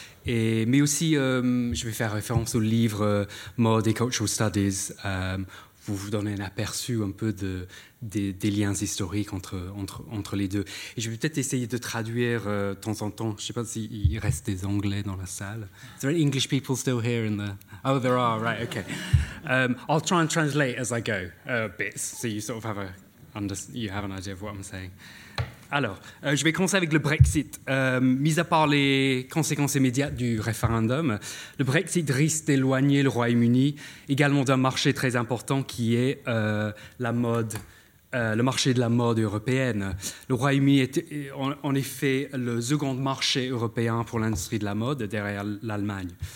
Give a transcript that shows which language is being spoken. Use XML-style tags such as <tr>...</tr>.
<fr>Mais aussi, je vais faire référence au livre « Mode et Cultural Studies ». Pour vous donner un aperçu un peu des liens historiques entre les deux. Et je vais peut-être essayer de traduire de temps en temps. Je ne sais pas s'il reste des Anglais dans la salle.</fr> <en>Is there any English people still here in the... Oh, there are, right, okay. I'll try and translate as I go, bits, so you sort of have an idea of what I'm saying.</en> <fr>Alors, je vais commencer avec le Brexit. Mis à part les conséquences immédiates du référendum, le Brexit risque d'éloigner le Royaume-Uni également d'un marché très important qui est la mode, le marché de la mode européenne. Le Royaume-Uni est en effet le second marché européen pour l'industrie de la mode derrière l'Allemagne.</fr>